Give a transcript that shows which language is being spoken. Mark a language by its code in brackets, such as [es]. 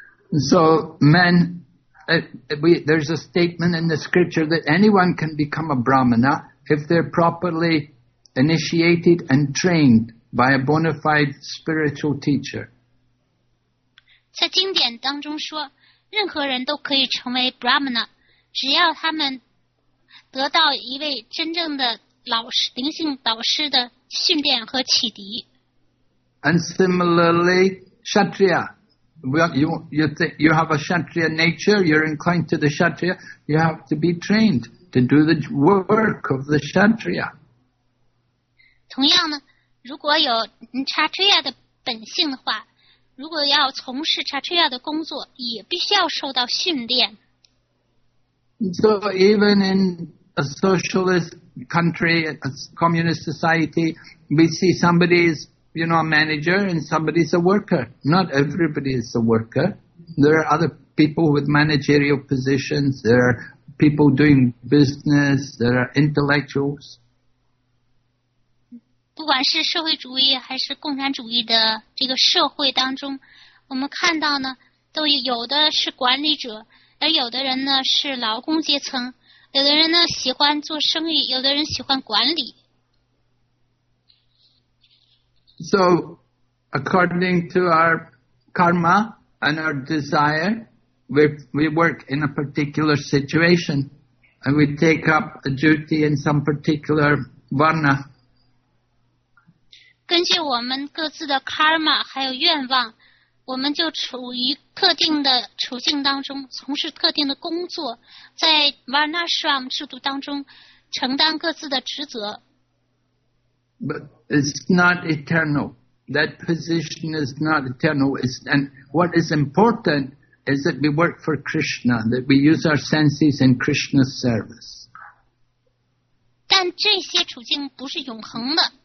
[en] So men, there's a statement in the scripture that anyone can become a brahmana if they're properly initiated and trained by a bona fide spiritual teacher. [zh] 在经典当中说，任何人都可以成为 brahmana， 只要他们得到一位真正的老师、灵性导师的训练和启迪。 [en] And similarly, kshatriya. You have a kshatriya nature, you're inclined to the kshatriya, you have to be trained to do the work of the kshatriya. [zh] 同样呢，如果有 kshatriya 的本性的话，如果要从事 kshatriya 的工作，也必须要受到训练。 [en] So even in a socialist country, a communist society, we see somebody isYou know, a manager and somebody's a worker. Not everybody is a worker. There are other people with managerial positions. There are people doing business. There are intellectuals. [zh] 不管是社会主义还是共产主义的这个社会当中，我们看到呢，都有的是管理者，而有的人呢是劳工阶层，有的人呢喜欢做生意，有的人喜欢管理。 [en] So, according to our karma and our desire, we work in a particular situation, and we take up a duty in some particular varna. [zh] 根据我们各自的 karma 还有愿望，我们就处于特定的处境当中，从事特定的工作，在 varna shram 制度当中承担各自的职责。 [en] But it's not eternal. That position is not eternal. And what is important is that we work for Krishna, that we use our senses in Krishna's service. [zh] 但这些处境不是永恒的。